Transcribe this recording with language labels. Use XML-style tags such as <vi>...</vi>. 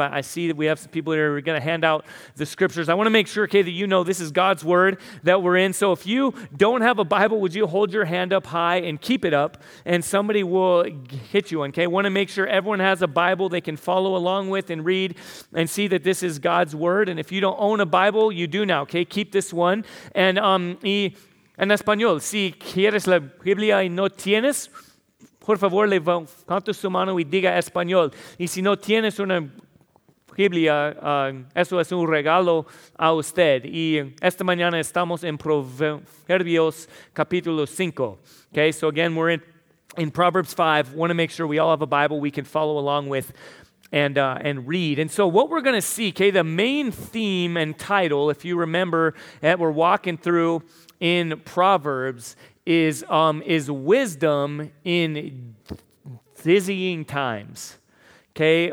<en>I see that we have some people here who are going to hand out the scriptures. I want to make sure, Kay, that you know this is God's word that we're in. So if you don't have a Bible, would you hold your hand up high and keep it up, and somebody will hit you one, okay? I want to make sure everyone has a Bible they can follow along with and read and see that this is God's word. And if you don't own a Bible, you do now, okay? Keep this one.</en> <es>And en español, si quieres la Biblia y no tienes, por favor, levanta su mano y diga español. Y si no tienes una Biblia, eso es un regalo a usted. Y esta mañana estamos en Proverbios capítulo 5.</es> <en>Okay, so again, we're in Proverbs 5. Want to make sure we all have a Bible we can follow along with and read. And so what we're going to see, okay, the main theme and title, if you remember, that we're walking through in Proverbs is wisdom in dizzying times, okay?</en>